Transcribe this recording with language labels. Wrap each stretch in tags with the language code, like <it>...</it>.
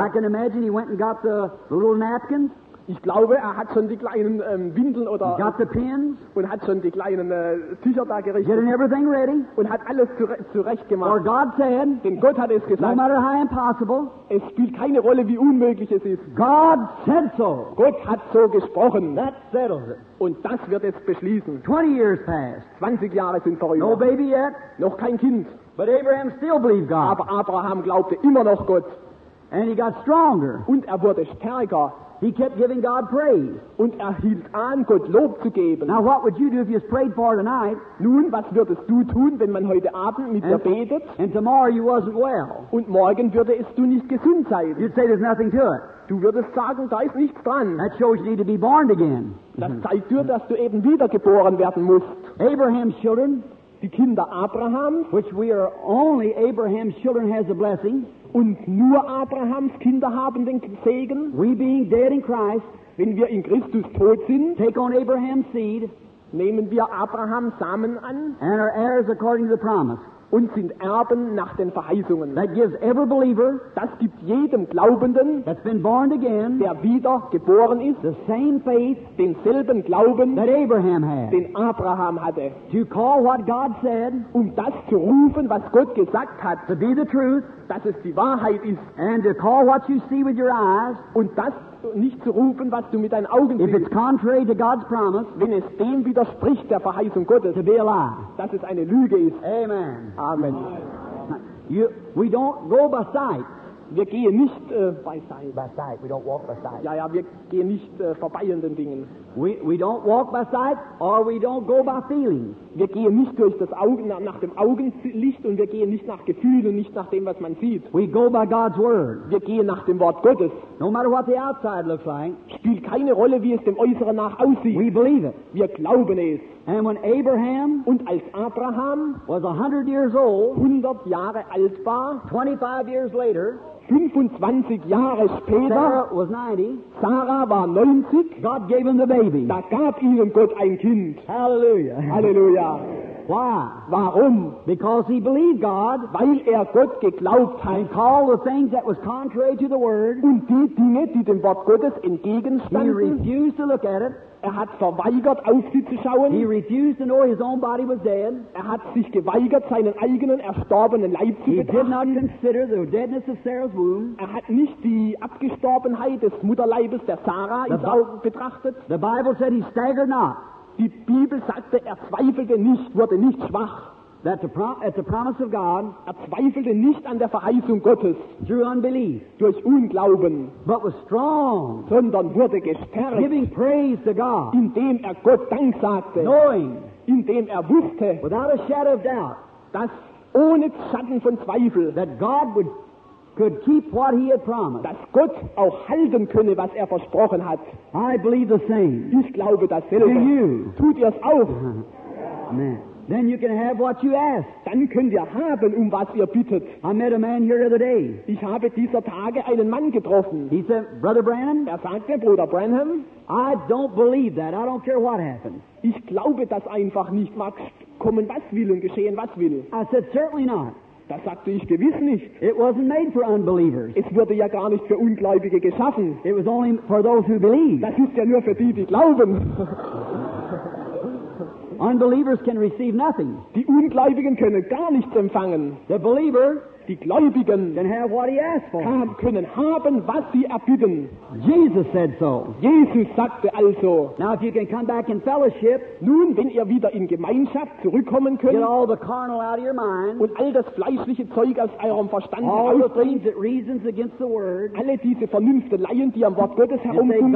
<en>I can imagine he went and got the little napkins.</en> <de>Ich glaube, er hat schon die kleinen Windeln oder</de> <en>got the pins,</en> <de>und hat schon die kleinen Tücher da gerichtet.</de> <en>Getting everything ready.</en> <de>Und hat alles zurecht gemacht.</de> <en>Or God said,</en> <de>denn Gott hat es gesagt.</de> <en>No matter how impossible,</en> <de>es spielt keine Rolle, wie unmöglich es ist.</de> <en>God said so.</en> <de>Gott hat so gesprochen.</de> <en>That settles it.</en> <de>Und das wird es beschließen.</de> <en>20 years passed.</en> <de>20 Jahre sind vorüber.</de> <en>No baby yet.</en> <de>Noch kein Kind.</de> <en>But Abraham still believed God.</en> <de>Aber Abraham glaubte immer noch Gott.</de> <en>And he got stronger.</en> <de>Und er wurde stärker.</de> <en>He kept giving God praise.</en> <de>Und er hielt an, Gott Lob zu geben.</de> <en>Now what would you do if you prayed for tonight?</en> <de>Nun, was würdest du tun, wenn man heute Abend mit dir betet?</de> <en>And tomorrow you wasn't well.</en> <de>Und morgen würdest du nicht gesund sein.</de> <en>You'd say there's nothing to it.</en> <de>Du würdest sagen, da ist nichts dran.</de> <en>That shows you need to be born again.</en> <de>Das zeigt dir, dass du eben wiedergeboren werden musst.</de> <en>Abraham's children,</en> <de>die Kinder Abrahams,</de> <en>which we are only Abraham's children has a blessing.</en> <de>Und nur Abrahams Kinder haben den Segen.</de> <en>We being dead in Christ,</en> <de>wenn wir in Christus tot sind,</de> <en>take on Abraham's seed,</en> <de>nehmen wir Abrahams Samen an,</de> <en>and are heirs according to the promise,</en> <de>und sind Erben nach den Verheißungen.</de> <en>That gives every believer,</en> <de>das gibt jedem Glaubenden,</de> <en>that's been born again,</en> <de>der wieder geboren ist,</de> <en>the same faith,</en> <de>denselben Glauben,</de> <en>that Abraham had,</en> <de>den Abraham hatte.</de> <en>To call what God said,</en> <de>um das zu rufen, was Gott gesagt hat,</de> <en>to be the truth,</en> <de>dass es die Wahrheit ist,</de> <en>and to call what you see with your eyes,</en> <de>und das nicht zu rufen, was du mit deinen Augen siehst.</de> <en>If it's contrary to God's promise,</en> <de>wenn es dem widerspricht, der Verheißung Gottes,</de> <en>to be a lie,</en> <de>dass es eine Lüge ist.</de> <en>Amen.</en> <de>Amen.</de> <en>We don't go by sight.</en> <de>Wir gehen nicht</de> <en>by sight. By sight. We don't walk by sight.</en> <de>Ja, ja, wir gehen nicht vorbei an den Dingen.</de> <en>We don't walk by sight, or we don't go by feeling.</en> <de>Wir gehen nicht durch das Augen nach dem Augenlicht, und wir gehen nicht nach Gefühl und nicht nach dem, was man sieht.</de> <en>We go by God's word.</en> <de>Wir gehen nach dem Wort Gottes.</de> <en>No matter what the outside looks like,</en> <de>spielt keine Rolle, wie es dem Äußeren nach aussieht.</de> <en>We believe it.</en> <de>Wir glauben es.</de> <en>And when Abraham,</en> <de>und als Abraham,</de> <en>was 100 years old,</en> <de>100 Jahre alt war,</de> <en>25 years later,</en> <de>25 Jahre später,</de> <en>Sarah was 90,</en> <de>Sarah war 90,</de> <en>God gave him the baby.</en> <de>Da gab ihnen Gott ein Kind.</de> <en>Hallelujah.</en> <de>Hallelujah.</de> <en>Why?</en> <de>Warum?</de> <en>Because he believed God,</en> <de>weil Gott geglaubt hat,</de> <en>and called the things that was contrary to the word,</en> <de>und die Dinge, die dem Wort Gottes entgegenstanden,</de> <en>he refused to look at it.</en> <de>Er hat verweigert, auf sie zu schauen.</de> <en>He refused to know his own body was dead.</en> <de>Er hat sich geweigert, seinen eigenen erstorbenen Leib zu betrachten.</de> <en>He did not consider the deadness of Sarah's womb.</en> <de>Er hat nicht die Abgestorbenheit des Mutterleibes der Sarah betrachtet.</de> <en>The Bible said he staggered not.</en> <de>Die Bibel sagte, zweifelte nicht, wurde nicht schwach.</de> <en>That at the promise of God,</en> <de>zweifelte nicht an der Verheißung Gottes,</de> <en>through unbelief,</en> <de>durch Unglauben,</de> <en>but was strong,</en> <de>sondern wurde gestärkt,</de> <en>giving praise to God,</en> <de>indem Gott Dank sagte,</de> <en>knowing,</en> <de>indem wusste,</de> <en>without a shadow of doubt,</en> <de>dass ohne Schatten von Zweifel,</de> <en>that God would could keep what he had promised.</en> <de>Dass Gott auch halten könne, was versprochen hat.</de> <en>I believe the same.</en> <de>Ich glaube dasselbe.</de> <en>Do you?</en> <de>Tut ihr's auch?</de> <en>Amen. Then you can have what you ask.</en> <de>Dann könnt ihr haben, was ihr bittet.</de> <en>I met a man here the other day.</en> <de>Ich habe dieser Tage einen Mann getroffen.</de> <en>He said, Brother Branham.</en> <de>Sagte, Bruder Branham.</de> <en>I don't believe that. I don't care what happens.</en> <de>Ich glaube das einfach nicht. Mag kommen, was will und geschehen, was will.</de> <en>I said, certainly not.</en> <de>Das sagte ich gewiss nicht.</de> <en>It wasn't made for unbelievers.</en> <de>Es wurde ja gar nicht für Ungläubige geschaffen.</de> <en>It was only for those who believe.</en> <de>Das ist ja nur für die, die glauben.</de> <en>Unbelievers can receive nothing.</en> <de>Die Ungläubigen können gar nichts empfangen.</de> <en>The believer,</en> <de>die Gläubigen,</de> <en>can have what he asks for.</en> <de>Können haben, was sie erbitten.</de> <en>Jesus said so.</en> <de>Jesus sagte also.</de> <en>Now if you can come back in fellowship,</en> <de>nun wenn ihr wieder in Gemeinschaft zurückkommen könnt,</de> <en>get all the carnal out of your mind,</en> <de>und all das fleischliche Zeug aus eurem Verstand heraus,</de> <en>all the things that reasons against the word,</en> <de>alle diese Vernünfteleien, die am Wort Gottes herumkommen,</de>